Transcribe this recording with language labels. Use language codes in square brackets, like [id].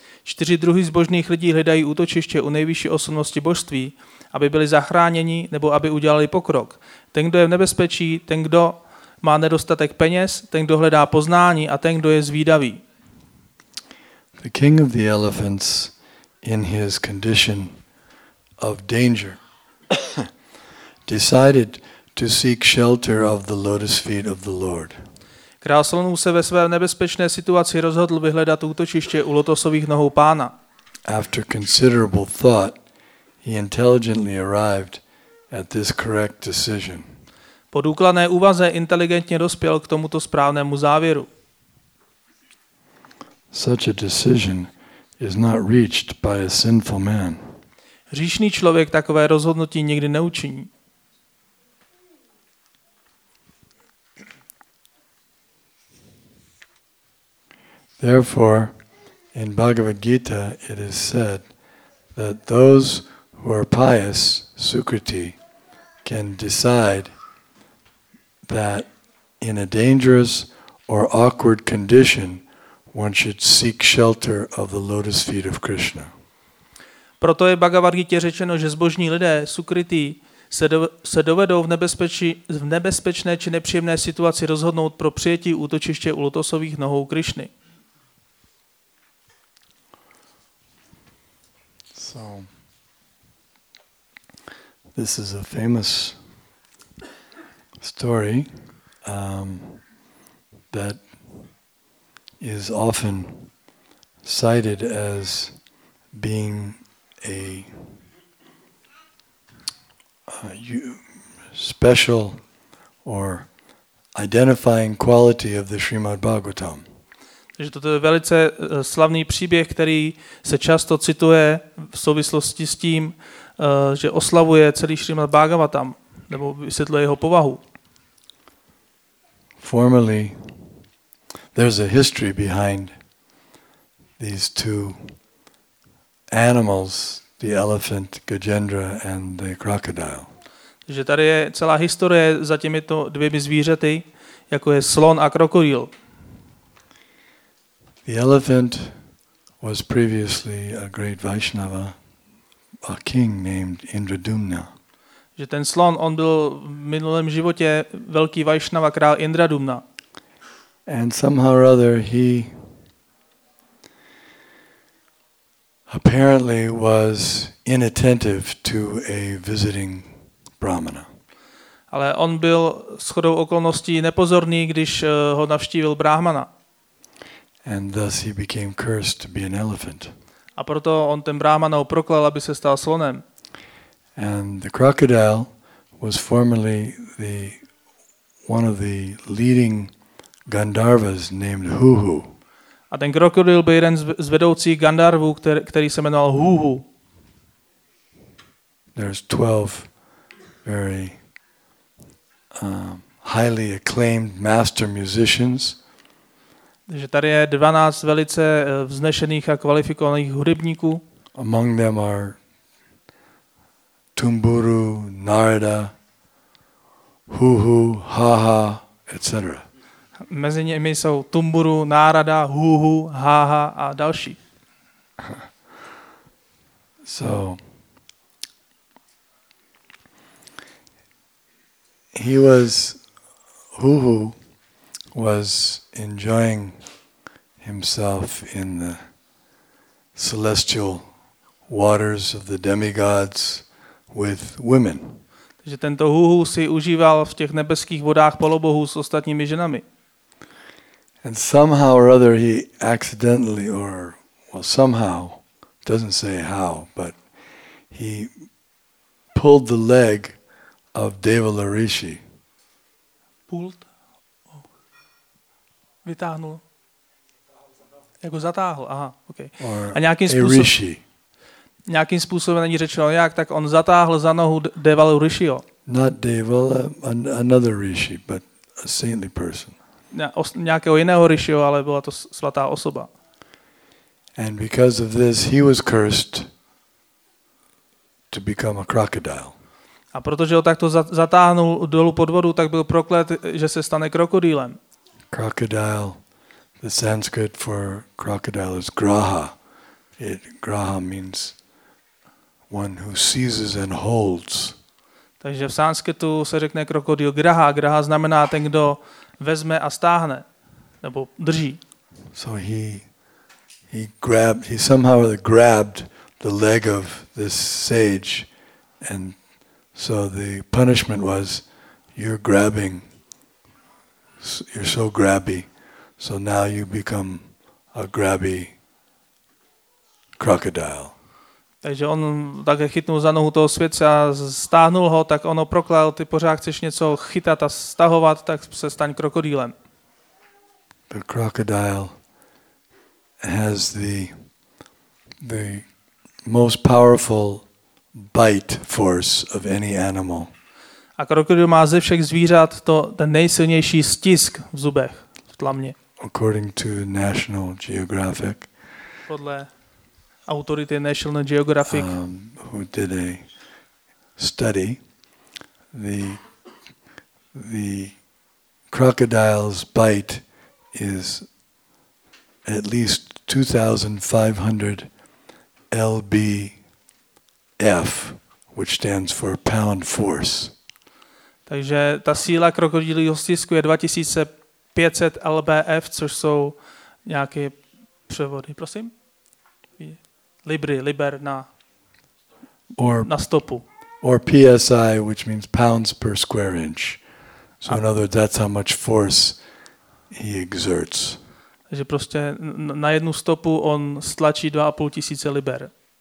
[cs] Čtyři druhy zbožných lidí hledají útočiště u nejvyšší osobnosti božství, aby byli zachráněni nebo aby udělali pokrok. Ten, kdo je v nebezpečí, ten, kdo má nedostatek peněz, ten, kdo hledá poznání a ten, kdo je zvídavý. [en] The king of the elephants in his condition of danger decided to seek shelter of the lotus feet of the Lord. [cs] Král Solomon se ve své nebezpečné situaci rozhodl vyhledat útočiště u lotosových nohou pána. [en] After considerable thought, he intelligently arrived at this correct decision. [cs] Po důkladné úvaze inteligentně dospěl k tomuto správnému závěru. [en] Such a decision is not reached by a sinful man. [cs] Hříšný člověk takové rozhodnutí nikdy neučiní. [en] Therefore, in Bhagavad Gita, it is said that those who are pious, Sukriti, can decide that in a dangerous or awkward condition, one should seek shelter of the lotus feet of Krishna. [cs] Proto je Bhagavad Gita řečeno, že zbožní lidé, Sukriti, se dovedou v nebezpečné či nepříjemné situaci rozhodnout pro přijetí útočiště u lotosových nohou Krišny. [en] So, this is a famous story that is often cited as being a special or identifying quality of the Srimad Bhagavatam. [cs] Takže toto je velice slavný příběh, který se často cituje v souvislosti s tím, že oslavuje celý Srimad Bhagavatam, nebo vysvětluje jeho povahu. [en] Formerly, there's a history behind these two animals, the elephant Gajendra and the crocodile. [cs] Takže tady je celá historie za těmito dvěmi zvířaty, jako je slon a krokodýl. [en] The elephant was previously a great Vaishnava, a king named Indradumna. [cs] Že ten slon, on byl v minulém životě velký Vaishnava, král Indradumna. [en] And somehow or other he apparently was inattentive to a visiting brahmana. [cs] Ale on byl shodou okolností nepozorný, když ho navštívil brahmana. [en] And thus he became cursed to be an elephant. [cs] A proto on ten brahmana proklal, aby se stal slonem. [en] And the crocodile was formerly the one of the leading Gandharvas named Huhu. [cs] A ten krokodýl byl jeden z vedoucích Gandharvů, který se jmenoval Huhu. [en] There's 12 very highly acclaimed master musicians. [cs] Takže tady je 12 velice vznešených a kvalifikovaných hudebníků. [en] Among them are Tumburu, Narada, Huhu, Haha, etc. [cs] Mezi nimi jsou Tumburu, Narada, Huhu, Haha a další. [en] So he was Huhu was enjoying himself in the celestial waters of the demigods with women. [cs] Takže tento Huhu si užíval v těch nebeských vodách polobohů s ostatními ženami. [en] And somehow or other he accidentally or well somehow doesn't say how but he pulled the leg of Devala Rishi. Pult? [cs] Vytáhnul. Jak ho zatáhl. Aha, okay. Or a nějakým způsobem Rishi. Nějakým způsobem není řečeno jak, tak on zatáhl za nohu Devala Rishiho. [en] Not Devala, another Rishi, but a saintly person. [cs] Nějakého jiného Rishiho, ale byla to svatá osoba. [en] And because of this, he was cursed to become a crocodile. [cs] A protože ho takto zatáhnul dolů pod vodu, tak byl proklet, že se stane krokodýlem. [en] Crocodile, the Sanskrit for crocodile is graha. Graha means one who seizes and holds. [cs] Takže v sanskritu se řekne krokodýl graha. Graha znamená ten, kdo vezme a stáhne, nebo drží. [en] So he somehow grabbed the leg of this sage, and so the punishment was, you're so grabby, so now you become a grabby crocodile. [cs] Takže on také chytnul za nohu toho světce a stáhnul ho, tak ono proklal, ty pořád chceš něco chytat a stahovat, tak se staň krokodýlem. [en] The crocodile has the most powerful bite force of any animal. [cs] A krokodýl má ze všech zvířat ten nejsilnější stisk v zubech, v tlamě. [en] According to National Geographic. [cs] Podle autority National Geographic, [en] who did a study, the crocodile's bite is at least 2,500 lbf, which stands for pound force. [cs] Takže ta síla krokodýlího stisku je 2,500 lbf, což jsou nějaké převody, prosím. Libry, liber na stopu. [en] Or PSI, which means pounds per square inch. So in other words, that's how much force he exerts. [cs] Takže prostě na jednu stopu on stlačí 2,500 liber.